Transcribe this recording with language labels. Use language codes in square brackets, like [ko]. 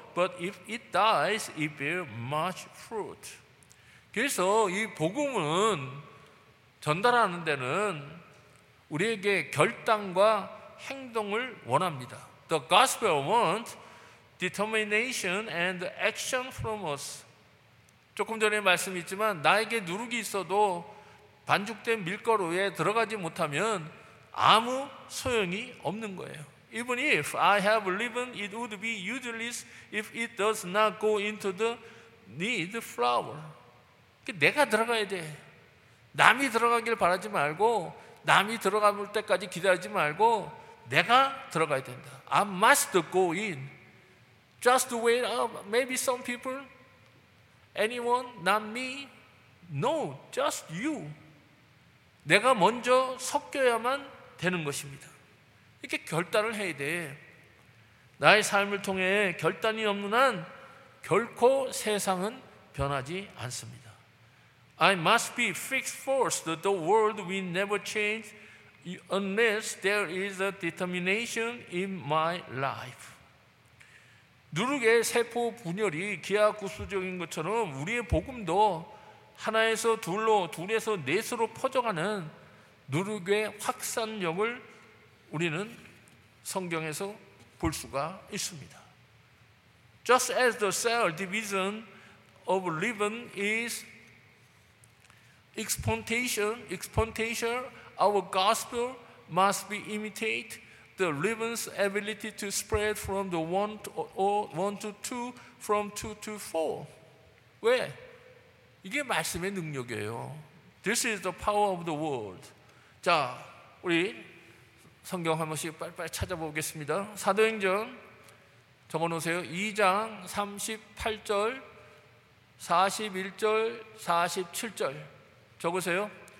[en] But if it dies, it bears much fruit. [ko] 그래서 이 복음은 전달하는 데는 우리에게 결단과 행동을 원합니다. [en] The gospel wants determination and action from us. [ko] 조금 전에 말씀했지만 나에게 누룩이 있어도 반죽된 밀가루에 들어가지 못하면 아무 소용이 없는 거예요. [en] Even if I have leaven, it would be useless if it does not go into the kneaded flour. [ko] 내가 들어가야 돼. 남이 들어가길 바라지 말고 남이 들어갈 때까지 기다리지 말고 내가 들어가야 된다. [en] I must go in. Just to wait up, maybe some people, anyone, not me, no, just you. [ko] 내가 먼저 섞여야만 되는 것입니다. 이렇게 결단을 해야 돼. 나의 삶을 통해 결단이 없는 한 결코 세상은 변하지 않습니다. [en] I must be fixed first. The world will never change unless there is a determination in my life. [ko] 누룩의 세포 분열이 기하급수적인 것처럼 우리의 복음도 하나에서 둘로, 둘에서 넷으로 퍼져가는 누룩의 확산력을 우리는 성경에서 볼 수가 있습니다. [en] Just as the cell division of living is exponential, our gospel must be imitate the living's ability to spread from the one to two, from two to four. [ko] 왜? 이게 말씀의 능력이에요. [en] This is the power of the word. [ko] 자, 우리 성경 한 번씩 빨리빨리 찾아보겠습니다. 사도행전 적어놓으세요. 2장 38절, 41절, 47절 적으세요.